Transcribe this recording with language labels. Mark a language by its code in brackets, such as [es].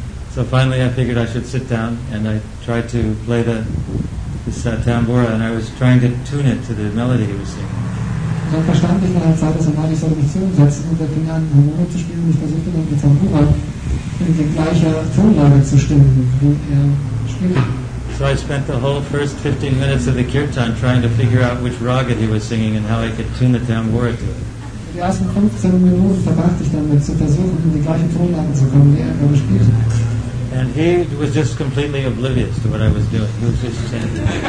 [en] So finally I figured I should sit down, and I tried to play this tambour, and I was trying to tune it to the melody he was singing. [de] Und dann verstand ich nach einer Zeit, dass er meinte, ich sollte mich zusetzen, und er fing an, Harmonie zu spielen, und ich versuchte dann, mit Tambura in die gleiche Tonlage zu stimmen, wie er spielte. [en] So I spent the whole first 15 minutes of the Kirtan trying to figure out which raga he was singing and how I could tune the tambura to it. [de] Die ersten 15 Minuten verbrachte ich damit, zu versuchen, in die gleiche Tonlage zu kommen, wie er gerade spielte. [en] And he was just completely oblivious to what I was doing. He was just chanting.